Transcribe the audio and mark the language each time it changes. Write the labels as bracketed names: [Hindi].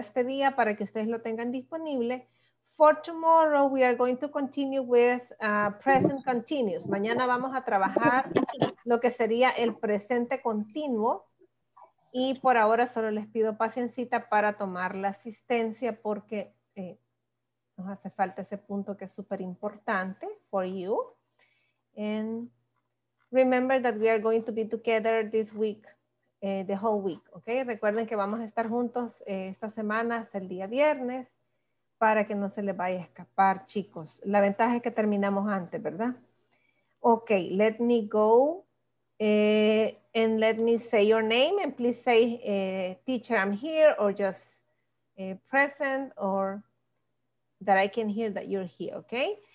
[Spanish] Este día para que ustedes lo tengan disponible. [English] For tomorrow, we are going to continue with present continuous. [Spanish] Mañana vamos a trabajar lo que sería el presente continuo. Y por ahora solo les pido paciencia para tomar la asistencia porque nos hace falta ese punto que es súper importante [English] for you. And remember that we are going to be together this week, the whole week. Okay? [Spanish] Recuerden que vamos a estar juntos esta semana hasta el día viernes. Para que no se les vaya a escapar, chicos. La ventaja es que terminamos antes, ¿verdad? [English] Ok, let me go and let me say your name and please say, teacher, I'm here, or just present, or that I can hear that you're here, ok?